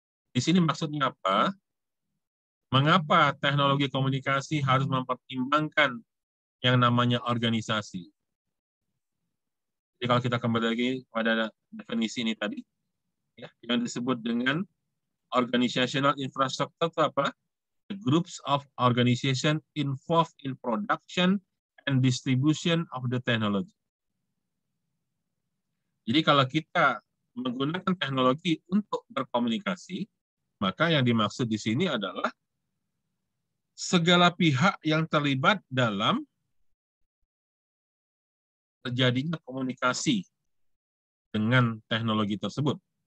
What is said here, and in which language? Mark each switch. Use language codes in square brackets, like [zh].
[id] Di sini maksudnya apa? Mengapa teknologi komunikasi harus mempertimbangkan yang namanya organisasi? Jadi kalau kita kembali lagi pada definisi ini tadi, ya, yang disebut dengan organizational infrastructure itu apa? [en] The groups of organization involved in production and distribution of the technology. [id] Jadi kalau kita menggunakan teknologi untuk berkomunikasi, maka yang dimaksud di sini adalah segala pihak yang terlibat dalam terjadinya komunikasi dengan teknologi tersebut.